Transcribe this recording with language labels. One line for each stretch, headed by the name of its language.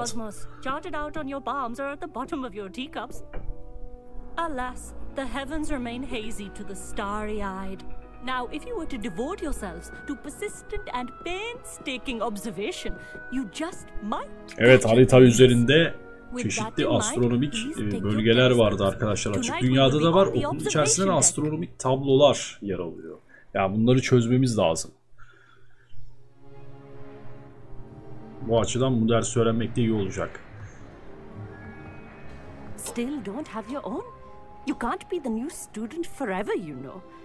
English: Of the cosmos jotted out on your palms or at the bottom of your teacups. Alas, the heavens remain hazy to the starry-eyed. Now, if you were to devote yourselves to persistent and painstaking observation, you just might.
Turkish: Evet, harita üzerinde çeşitli astronomik bölgeler vardı arkadaşlar. Açık dünyada da var. Okul içerisinde astronomik tablolar yer alıyor. Yani bunları çözmemiz lazım. Bu açıdan bu dersi öğrenmek de iyi olacak.
English: Still don't have your own. You can't be the new student forever, you know.